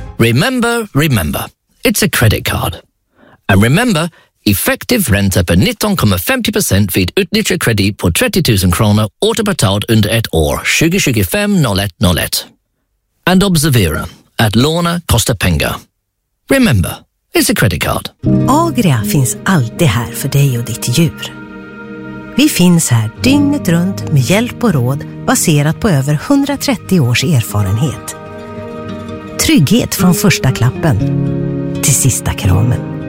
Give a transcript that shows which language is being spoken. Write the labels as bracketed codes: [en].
[en] Remember, remember. It's a credit card. And remember, [sv] effective ränta på 19,50% vid utnyttjad kredit på 30 000 kronor återbetalt under ett år 2025-0101. And observera att låna kostar pengar. [en] Remember, it's a credit card. [sv] Agria finns alltid här för dig och ditt djur. Vi finns här dygnet runt med hjälp och råd baserat på över 130 års erfarenhet. Trygghet från första klappen till sista kramen.